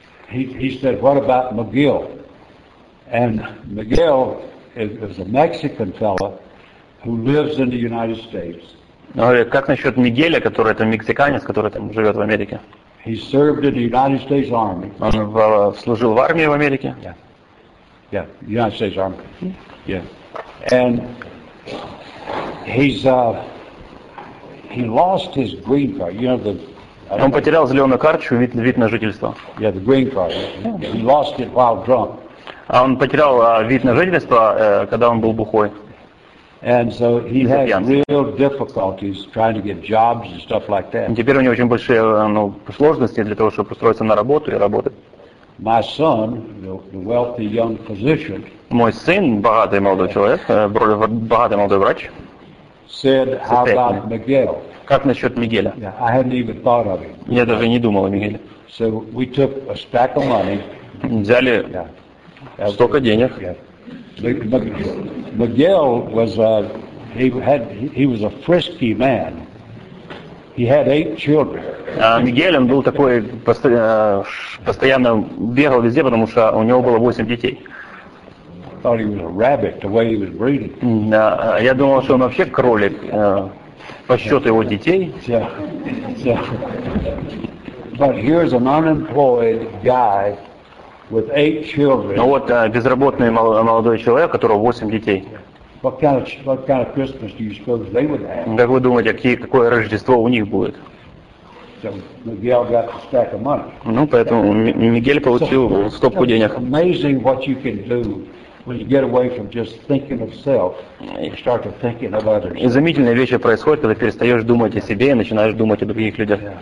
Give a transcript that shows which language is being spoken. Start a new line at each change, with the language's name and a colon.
English: He said, "What about Miguel?" And Miguel is a Mexican fella who lives in the United States.
Russian: Он говорит, как насчет Мигеля, который это мексиканец, который там живет в Америке?
English: He served in the United States Army.
Russian: Он служил в армии в Америке.
English: Yeah. Yeah, United States Army. Yeah, and he lost his green card. You know, the
Russian: Он потерял зеленую карточку, вид на жительство.
English: Yeah, the green card. He lost it while drunk.
Russian: А он потерял вид на жительство, когда он был бухой.
English: And so he had real difficulties trying to get jobs and stuff like that.
Russian: Теперь у него очень большие сложности для того, чтобы устроиться на работу и работать.
English: My son, the wealthy young physician.
Russian: Мой сын, богатый молодой человек, богатый молодой врач.
English: Said, how about Miguel?
Russian: Как насчет Мигеля?
English: Yeah, I hadn't even thought of him.
Russian: Я даже не думал о Мигеле.
English: So we took a stack of money.
Russian: Взяли столько денег.
English: Miguel was he was a frisky man. He had 8 children.
Russian: Мигель, он был такой постоянно бегал везде, потому что у него было 8 детей.
English: Thought he was a rabbit the way he was breeding.
Russian: Я думал, что он вообще кролик по счету его детей.
English: But here's an unemployed guy. With 8 children.
Russian: Ну вот безработный молодой человек, у которого 8 детей.
English: What kind of Christmas do you suppose they would have?
Russian: Как вы думаете, какое Рождество у них будет?
English: So Miguel got a stack of money.
Russian: Поэтому Мигель получил стопку денег.
English: Amazing what you can do when you get away from just thinking of self and start to thinking of others.
Russian: Изумительные вещи происходят, когда перестаешь думать о себе и начинаешь думать о других людях.